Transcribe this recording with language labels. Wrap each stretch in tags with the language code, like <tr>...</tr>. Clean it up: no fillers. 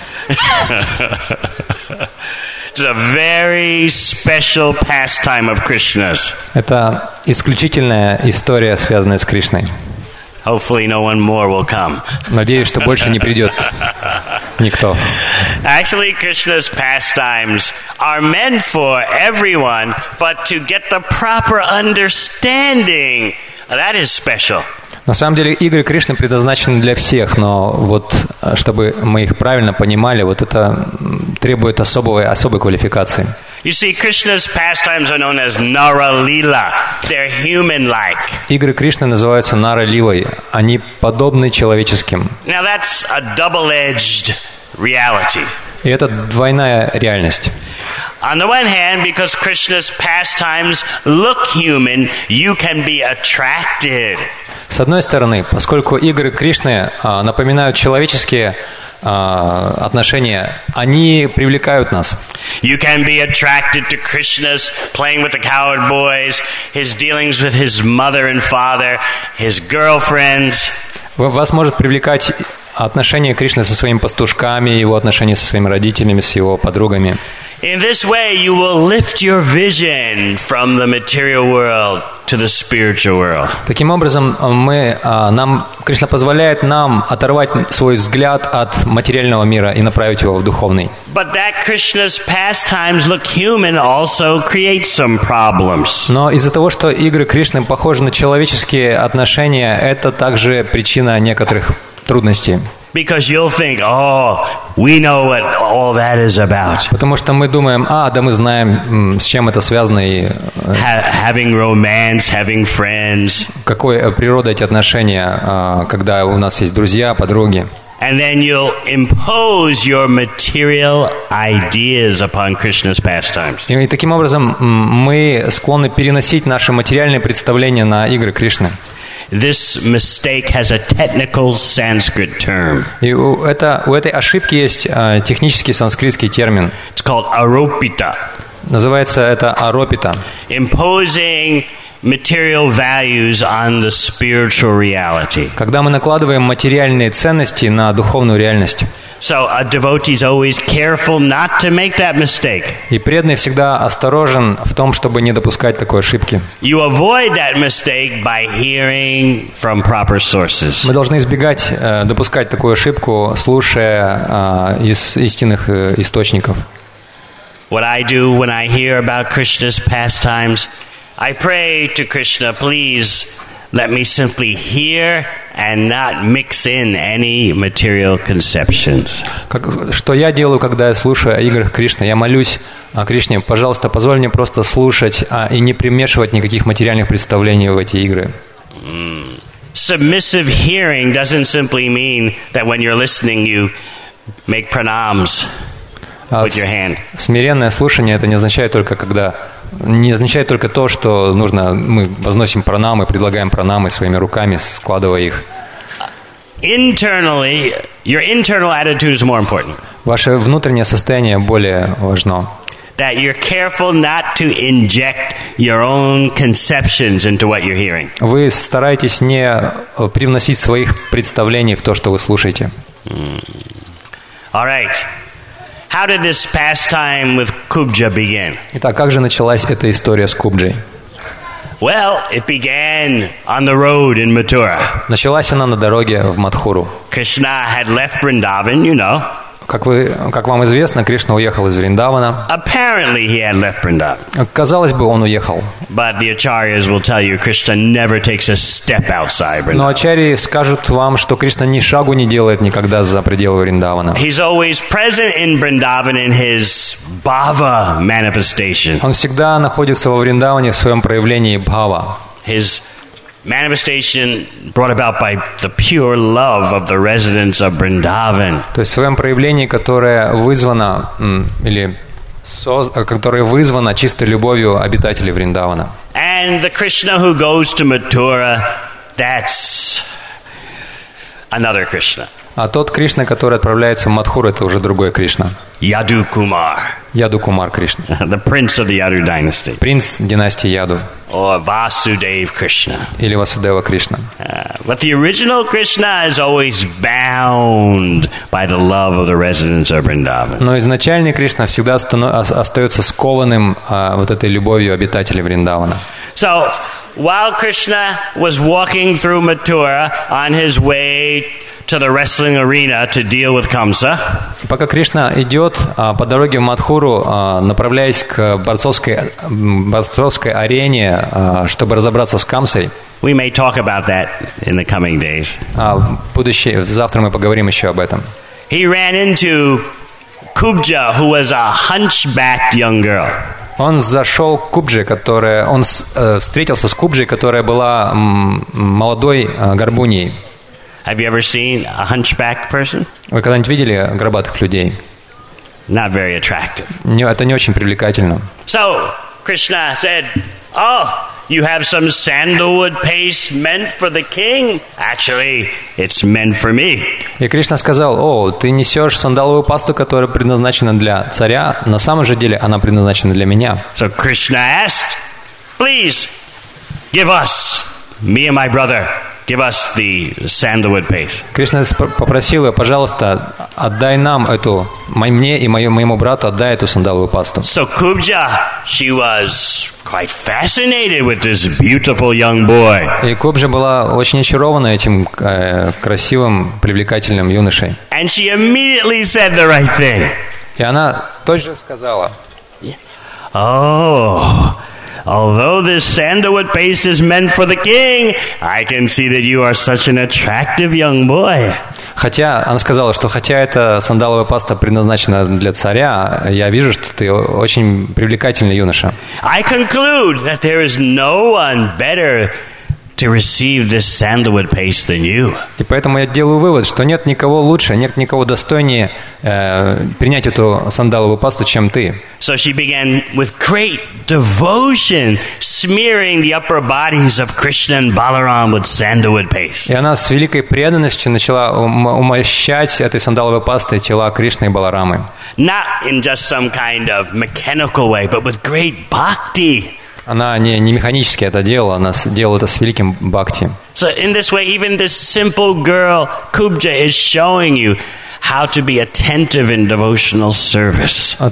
<en>It's a very special pastime of Krishna's.</en> <ru>Это исключительная история, связанная с Кришной.</ru> <en>Hopefully no one more will come.</en> <ru>Надеюсь, что больше не придет никто.</ru> <en>Actually, Krishna's pastimes are meant for everyone, but to get the proper understanding, that is special.</en> <ru>На самом деле, игры Кришны предназначены для всех, но вот чтобы мы их правильно понимали, вот это требует особой квалификации.</ru> <en>You see, Krishna's pastimes are known as Nara-lila. They're human-like.</en> <ru>Игры Кришны называются Нара-лилой. Они подобны человеческим.</ru> <en>Now that's a double-edged reality.</en> <ru>И это двойная реальность.</ru> <en>On the one hand, because Krishna's pastimes look human, you can be attracted.</en> <ru>С одной стороны, поскольку игры Кришны напоминают человеческие отношения, они привлекают нас.</ru> <en>You can be attracted to Krishna's playing with the coward boys, his dealings with his mother and father, his girlfriends.</en> <ru>Вас может привлекать отношение Кришны со своими пастушками, его отношения со своими родителями, с его подругами.</ru> <en>In this way, you will lift your vision from the material world to the spiritual world.</en> <ru>Таким образом, Кришна позволяет нам оторвать свой взгляд от материального мира и направить его в духовный.</ru> <en>But that Krishna's pastimes look human also creates some problems.</en> <ru>Но из-за того, что игры Кришны похожи на человеческие отношения, это также причина некоторых трудностей.</ru> <en>Because you'll think, oh, we know what all that is about.</en> <ru>Потому что мы думаем, да мы знаем, с чем это связано. И,</ru> <en>having romance, having friends.</en> <ru>Какой природа эти отношения, когда у нас есть друзья, подруги.</ru> <en>And then you'll impose your material ideas upon Krishna's pastimes.</en> <ru>И таким образом мы склонны переносить наши материальные представления на игры Кришны.</ru> <en>This mistake has a technical Sanskrit term.</en> <ru>У этой ошибки есть технический санскритский термин.</ru> <en>It's called aropita.</en> <ru>Называется это аропита.</ru> <en>Imposing material values on the spiritual reality.</en> <ru>Когда мы накладываем материальные ценности на духовную реальность.</ru> <en>So a devotee is always careful not to make that mistake.</en> <ru>И преданный всегда осторожен в том, чтобы не допускать такой ошибки.</ru> <en>You avoid that mistake by hearing from proper sources.</en> <ru>Мы должны избегать допускать такую ошибку, слушая из истинных источников.</ru> <en>What I do when I hear about Krishna's pastimes, I pray to Krishna, please let me simply hear and not mix in any material conceptions.</en> <ru>Что я делаю, когда я слушаю о играх Кришны? Я молюсь о Кришне, пожалуйста, позволь мне просто слушать и не примешивать никаких материальных представлений в эти игры.</ru> <en>Submissive hearing doesn't simply mean that when you're listening, you make pranams with your hand.</en> <ru>Смиренное слушание это не означает только когда. Не означает только то, что нужно, мы возносим пранамы, предлагаем пранамы своими руками, складывая их.</ru> <en>Internally, your internal attitude is more important.</en> <ru>Ваше внутреннее состояние более важно.</ru> <en>That you're careful not to inject your own conceptions into what you're hearing.</en> <ru>Вы стараетесь не привносить своих представлений в то, что вы слушаете.</ru> <en>All right. How did this pastime with Kubja begin?</en> <ru>Итак, как же началась эта история с Кубджей?</ru> <en>Well, it began on the road in Mathura.</en> <ru>Началась она на дороге в Матхуру.</ru> <en>Krishna had left Vrindavan, you know.</en> <ru>Как вам известно, Кришна уехал из Вриндавана.</ru> <en>Apparently he had left Vrindavan.</en> <ru>Казалось бы, он уехал.</ru> <en>But the acharyas will tell you Krishna never takes a step outside Vrindavan.</en> <ru>Но ачарьи скажут вам, что Кришна ни шагу не делает никогда за пределы Вриндавана.</ru> <en>He's always present in Vrindavan in his bhava manifestation.</en> <ru>Он всегда находится во Вриндаване в своем проявлении бхава.</ru> <en>His manifestation brought about by the pure love of the residents of Vrindavan.</en> <ru>То есть в своем проявлении, которое вызвано или которое вызвано чистой любовью обитателей Вриндавана.</ru> <en>And the Krishna who goes to Mathura, that's another Krishna.</en> <ru>А тот Кришна, который отправляется в Матхуру, это уже другой Кришна. Яду Кумар. Яду Кумар Кришна.</ru> <en>The prince of the Yadu dynasty.</en> <ru>Принц династии Яду.</ru> <en>Or Vasudev Krishna.</en> <ru>Или Васудева Кришна.</ru> <en>But the original Krishna is always bound by the love of the residents of Vrindavan.</en> <ru>Но изначальный Кришна всегда остается скованным вот этой любовью обитателей Вриндавана.</ru> <en>So while Krishna was walking through Mathura on his way to the wrestling arena to deal with Kamsa.</en> <ru>Пока Кришна идет по дороге в Матхуру, направляясь к борцовской арене, чтобы разобраться с Камсой.</ru> <en>We may talk about that in the coming days.</en> <ru>Завтра мы поговорим еще об этом.</ru> <en>He ran into Kubja, who was a hunchbacked young girl.</en> <ru>Он зашел к Кубже, которая... Он встретился с Кубжей, которая была молодой горбуньей.</ru> <en>Have you ever seen a hunchback person?</en> <ru>Вы когда-нибудь видели горбатых людей?</ru> <en>Not very attractive.</en> <ru>Не, это не очень привлекательно.</ru> <en>So, Krishna said, oh, you have some sandalwood paste meant for the king? Actually, it's meant for me.</en> <ru>И Кришна сказал, о, ты несешь сандаловую пасту, которая предназначена для царя. На самом же деле, она предназначена для меня.</ru> <en>So, Krishna asked, please, give us, me and my brother, give us the sandalwood paste.</en> <ru>Кришна попросил ее, пожалуйста, отдай нам эту, мне и моему брату, отдай эту сандаловую пасту.</ru> <en>So Kubja, she was quite fascinated with this beautiful young boy.</en> <ru>И Кубжа была очень очарована этим красивым, привлекательным юношей.</ru> <en>And she immediately said the right thing.</en> <ru>И она тоже сказала.</ru> <en>Oh. Although this sandalwood paste is meant for the king, I can see that you are such an attractive young boy.</en> <ru>Хотя она сказала, что хотя эта сандаловая паста предназначена для царя, я вижу, что ты очень привлекательный юноша.</ru> <en>I conclude that there is no one better to receive this sandalwood paste than you.</en> <ru>И поэтому я делаю вывод, что нет никого лучше, нет никого достойнее принять эту сандаловую пасту, чем ты.</ru> <en>So she began with great devotion smearing the upper bodies of Krishna and Balaram with sandalwood paste.</en> <ru>И она с великой преданностью начала умощать этой сандаловой пастой тела Кришны и Баларамы.</ru> <en>Not in just some kind of mechanical way, but with great bhakti.</en> <ru>Она не механически это делала, она делала это с великим бхакти.</ru> <en>So in this way, even this simple girl, Kubja, is showing you how to be attentive in devotional service.</en>